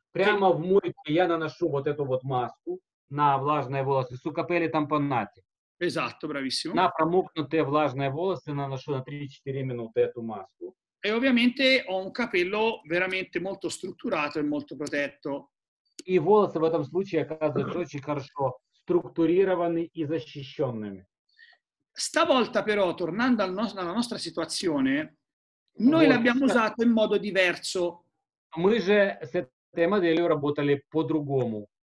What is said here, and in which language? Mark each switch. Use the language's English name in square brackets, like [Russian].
[Russian] Прямо в мойке я наношу вот эту вот маску на влажные волосы, [Italian] su capelli tamponati. Esatto, bravissimo. [Russian] На промокнутые влажные волосы наношу на 3-4 минуты эту маску. [Italian] E ovviamente ho un capello veramente molto strutturato e molto protetto. [Russian] И волосы в этом случае оказываются очень хорошо структурированы и защищенными. [Italian] Stavolta però, tornando alla nostra situazione, noi l'abbiamo usato in modo diverso. [Russian] Мы же с этой моделью работали по-другому.